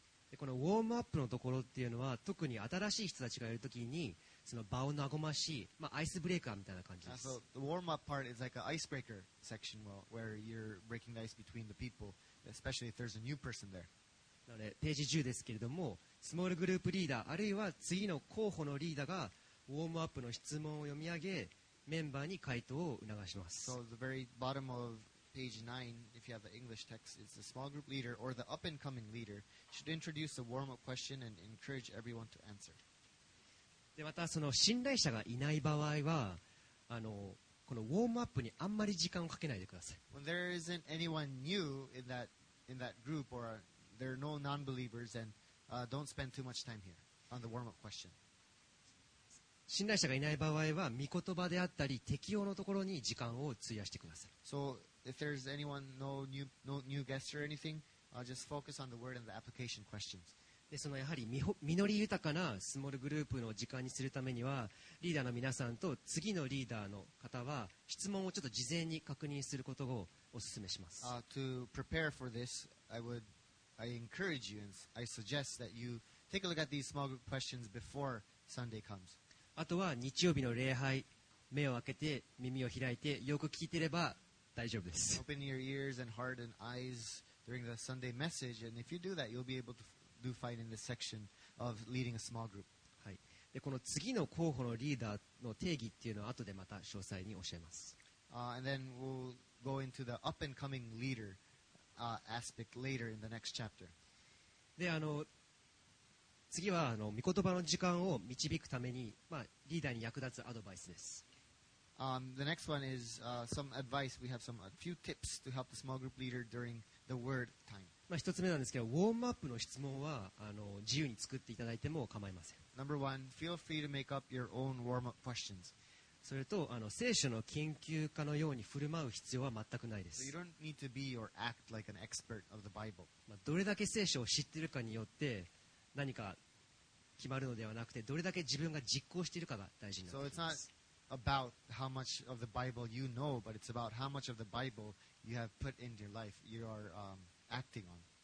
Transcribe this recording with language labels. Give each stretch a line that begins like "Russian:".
Japanese: でこのウォームアップのところっていうのは特に新しい人たちがいるときにその場を和ましい、まあ、アイスブレーカーみたいな感じです。
English: So the warm up part is like an icebreaker section where you're breaking the ice between the people, especially if there's a new person there.
Japanese: なのでページ10ですけれどもスモールグループリーダーあるいは次の候補のリーダーがウォームアップの質問を読み上げメンバーに回答を促します。
English: So the very bottom of page 9 if you have the English text is the small group leader or the up and coming leader should introduce a warm up question and encourage everyone to answer.
Japanese: でまたその信頼者がいない場合はこのウォームアップにあんまり時間をかけないでください。
English: When there isn't anyone new in that group orThere are no non-believers and, don't spend too much time here on the warm-up question.
Japanese: 信頼者がいない場合は御言葉であったり適用のところに時間を費やしてください。
English: So if there's anyone, no new guests or anything, just focus on the word and the application questions.
Japanese: でそのやはり実り豊かなスモールグループの時間にするためにはリーダーの皆さんと次のリーダーの方は質問をちょっと事前に確認することをお勧めします。
English: To prepare for this, I encourage you and I suggest that you take a look at these small group questions before Sunday comes.
Japanese: あとは日曜日の礼拝、目を開けて耳を開いてよく聞いていれば大丈夫です。
English: Open your ears and heart and eyes during the Sunday message, and if you do that, you'll be able to do fine in this section of leading a small group.
Japanese: はい。で、この次の候補のリーダーの定義っていうのは後でまた詳細に教えます。
English: And then we'll go into the up and coming leader. Aspect later in the next chapter.
Japanese: で、次は御言葉の時間を導くために、まあ、リーダーに役立つアドバイスです。
English: The next one is, some advice. We have some, a few tips to help the small group leader during the word time.
Japanese: まあ、一つ目なんですけど、ウォームアップの質問は自由に作っていただいても構いません。
English: Number one, feel free to make up your own warm-up questions.
Japanese: それと聖書の研究家のように振る舞う必要は全くないです。
English: So you don't need to be or act like an expert of the Bible.
Japanese: まあ、どれだけ聖書を知っているかによって何か決まるのではなくてどれだけ自分が実行しているかが大事になってきます。
English: So it's not, about how much of the Bible you know, but it's about how much of the Bible you have put into your life, you are、acting on.